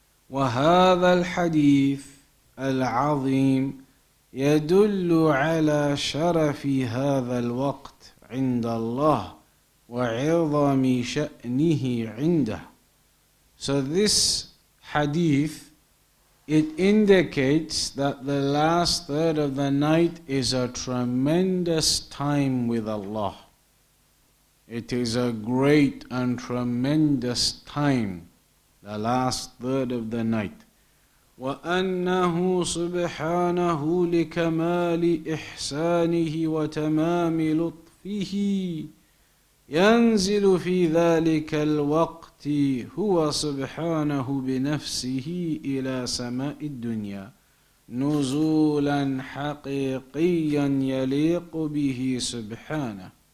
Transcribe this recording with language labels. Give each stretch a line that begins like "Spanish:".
Arabic: وهذا الحديث العظيم يدل على شرف هذا الوقت عند الله وَعِظَمِ شَأْنِهِ عِنْدَهُ
English: So this hadith It indicates that the last third of the night is a tremendous time with Allah. It is a great and tremendous time, the last third of the night.
Arabic: وَأَنَّهُ سُبْحَانَهُ لِكَمَالِ إِحْسَانِهِ وَتَمَامِ لُطْفِهِ يَنْزِلُ فِي ذَلِكَ الْوَقْتِ هو سبحانه بنفسه إلى سماء الدنيا نزولا حقيقيا يليق به سبحانه.